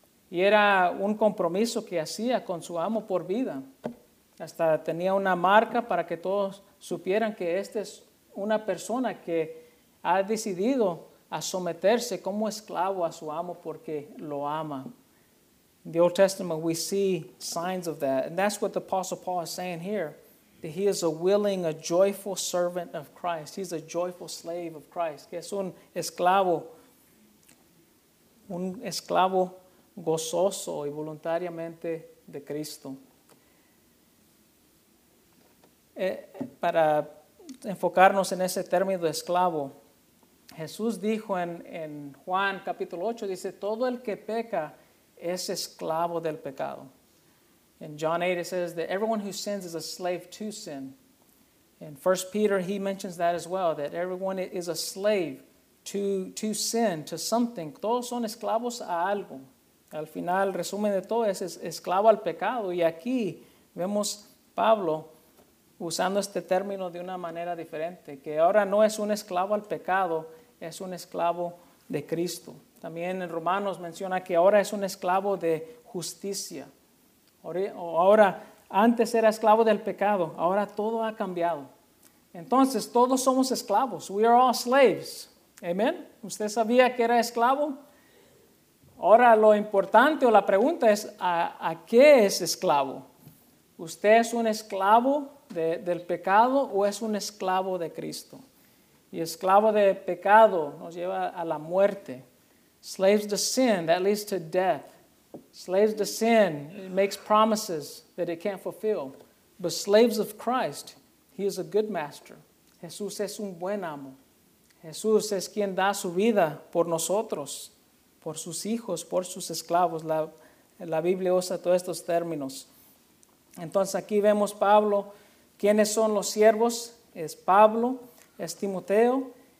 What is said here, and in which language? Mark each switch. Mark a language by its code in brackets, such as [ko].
[es] Y era un compromiso que hacía con su amo por vida. Hasta tenía una marca para que todos supieran que esta es una persona que ha decidido a someterse como esclavo a su amo porque lo ama. [en] In the Old Testament, we see signs of that. And that's what the Apostle Paul is saying here, that he is a willing, a joyful servant of Christ. He's a joyful slave of Christ. [es] Que es un esclavo gozoso y voluntariamente de Cristo. Para enfocarnos en ese término de esclavo, Jesús dijo en Juan capítulo 8, dice, todo el que peca es esclavo del pecado. [en] In John 8, it says that everyone who sins is a slave to sin. In 1 Peter, he mentions that as well, that everyone is a slave to sin, to something. [es] Todos son esclavos a algo. al final, resumen de todo, es esclavo al pecado. Y aquí vemos Pablo usando este término de una manera diferente, que ahora no es un esclavo al pecado, es un esclavo de Cristo. También en Romanos menciona que ahora es un esclavo de justicia. Ahora, antes era esclavo del pecado, ahora todo ha cambiado. Entonces, todos somos esclavos. [en] We are all slaves. [es] Amen. ¿Usted sabía que era esclavo? Ahora, lo importante o la pregunta es, ¿a qué es esclavo? ¿Usted es un esclavo del pecado o es un esclavo de Cristo? Y esclavo de pecado nos lleva a la muerte. [en] Slaves to sin, that leads to death. Slaves to sin, it makes promises that it can't fulfill. But slaves of Christ, he is a good master. [es] Jesús es un buen amo. Jesús es quien da su vida por nosotros, por sus hijos, por sus esclavos. La Biblia usa todos estos términos. Entonces aquí vemos Pablo. ¿Quiénes son los siervos? Es Pablo, es Timoteo.